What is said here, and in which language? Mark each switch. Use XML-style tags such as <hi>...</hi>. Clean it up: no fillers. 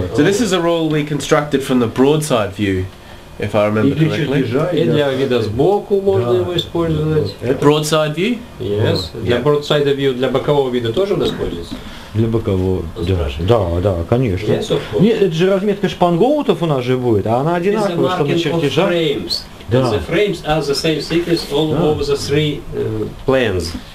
<en>So this is a rule we constructed from the broadside view. If I remember correctly.</en> <ru>И для вида сбоку можно его использовать.</ru> <en>Broadside view? Yes.</en> <ru>Для broadside view, для бокового вида тоже он используется? Для бокового. Да, конечно.</ru> <en>Yes, of course.</en> <ru>Нет, это же разметка шпангоутов у нас же будет, а она одинаковая, что на чертежах.</ru> <en>The frames are the same thickness all over the three plans.</en>